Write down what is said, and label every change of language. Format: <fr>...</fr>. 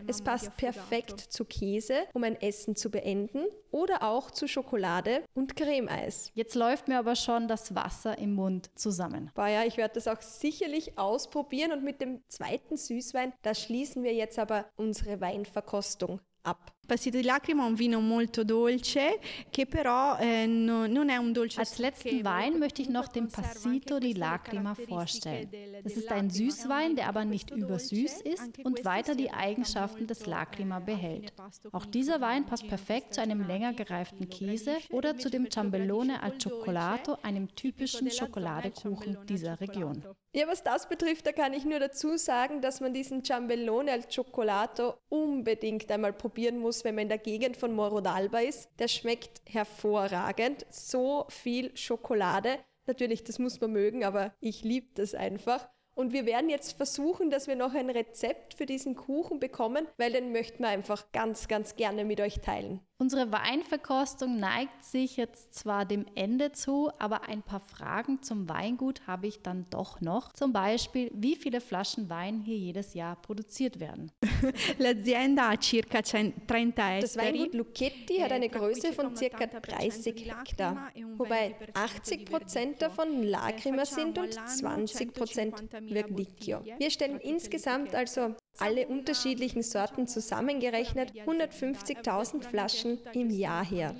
<de>Es passt perfekt zu Käse, um ein Essen zu beenden, oder auch zu Schokolade und Cremeis. Jetzt läuft mir aber schon das Wasser im Mund zusammen. Boah, ja, ich werde das auch sicherlich ausprobieren, und mit dem 2. Süßwein, da schließen wir jetzt aber unsere Weinverkostung ab.</de> <it>Passito di Lacrima è un vino molto dolce, che però non è un dolce.</it> <de>Als letzten Wein möchte ich noch den Passito di Lacrima vorstellen. Es ist ein Süßwein, der aber nicht übersüß ist und weiter die Eigenschaften des Lacrima behält. Auch dieser Wein passt perfekt zu einem länger gereiften Käse oder zu dem Ciambellone al Cioccolato, einem typischen Schokoladekuchen dieser Region. Ja, was das betrifft, da kann ich nur dazu sagen, dass man diesen Ciambellone al Cioccolato unbedingt einmal probieren muss, wenn man in der Gegend von Morro d'Alba ist. Der schmeckt hervorragend. So viel Schokolade. Natürlich, das muss man mögen, aber ich liebe das einfach. Und wir werden jetzt versuchen, dass wir noch ein Rezept für diesen Kuchen bekommen, weil den möchten wir einfach ganz, ganz gerne mit euch teilen. Unsere Weinverkostung neigt sich jetzt zwar dem Ende zu, aber ein paar Fragen zum Weingut habe ich dann doch noch. Zum Beispiel, wie viele Flaschen Wein hier jedes Jahr produziert werden?</de> <it>L'azienda ha circa 30 ettari.</it> <de>Das Weingut Lucchetti hat eine Größe von circa 30 Hektar, wobei 80% davon Lacrima sind und 20% Verdicchio. Wir stellen insgesamt also alle unterschiedlichen Sorten zusammengerechnet 150.000 Flaschen im Jahr her.</de>